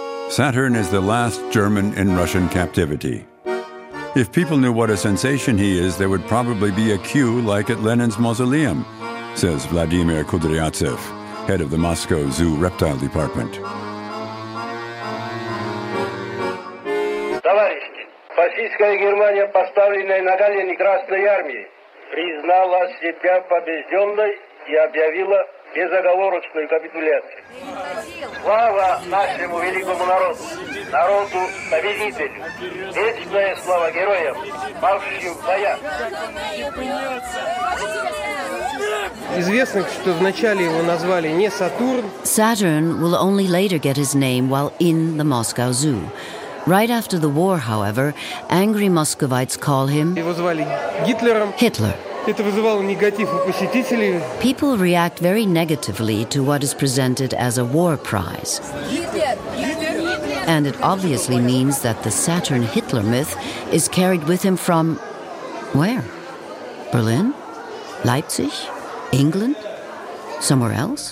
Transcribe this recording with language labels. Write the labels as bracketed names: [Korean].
[English] Saturn is the last German in Russian captivity. If people knew what a sensation he is, there would probably be a queue like at Lenin's mausoleum, says Vladimir Kudryatsev, head of the Moscow Zoo Reptile Department. [Russian] Товарищи, фашистская Германия, поставленная на колени Красной армии, признала себя побежденной и объявила безоговорочную капитуляцию. Слава нашему великому народу, народу победителю, вечная слава героям, павшим в боях. Известно, что вначале его назвали не Сатурн. [English] Saturn will only later get his name while in the Moscow Zoo. Right after the war, however, angry Muscovites call him [Russian] Его звали Гитлером. [English] Hitler. [Russian] Это вызывало негатив у посетителей. [English] People react very negatively to what is presented as a war prize. And it obviously means that the Saturn Hitler myth is carried with him from where? Berlin? Leipzig? England? Somewhere else?